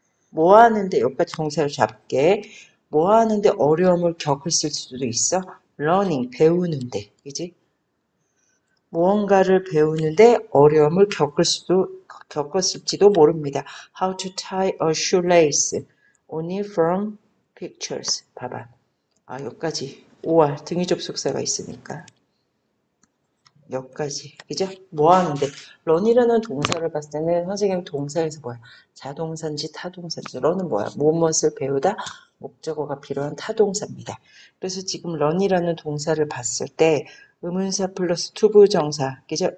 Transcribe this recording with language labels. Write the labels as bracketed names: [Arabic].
[Korean] 뭐 하는데 여기까지 동사를 잡게. 뭐 하는데 어려움을 겪었을 수도 있어? learning, 배우는데, 그지? 무언가를 배우는데 어려움을 겪었을지도 모릅니다. [English] How to tie a shoelace only from pictures. [Korean] 봐봐. 아, 여기까지. or 등위 접속사가 있으니까. 여기까지. 그죠? 뭐 하는데? run이라는 동사를 봤을 때는 선생님 동사에서 뭐야? 자동사인지 타동사인지. run은 뭐야? 무엇을 배우다? 목적어가 필요한 타동사입니다. 그래서 지금 run이라는 동사를 봤을 때 의문사 플러스 투부정사, 그죠?